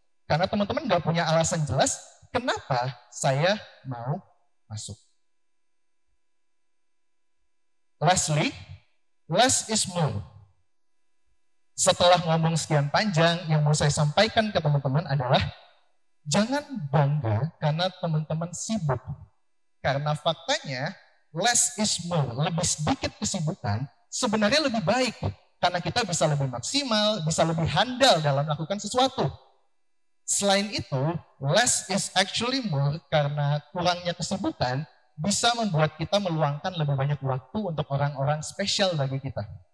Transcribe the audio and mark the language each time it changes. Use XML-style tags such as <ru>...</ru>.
<id>Karena teman-teman gak punya alasan jelas kenapa saya mau masuk.</id> <en>Lastly, less is more.</en> <id>Setelah ngomong sekian panjang, yang mau saya sampaikan ke teman-teman adalah jangan bangga karena teman-teman sibuk. Karena faktanya,</id> <en>less is more.</en> <id>Lebih sedikit kesibukan, sebenarnya lebih baik. Karena kita bisa lebih maksimal, bisa lebih handal dalam melakukan sesuatu. Selain itu,</id> <en>less is actually more</en> <id>karena kurangnya kesibukan bisa membuat kita meluangkan lebih banyak waktu untuk orang-orang spesial bagi kita.</id>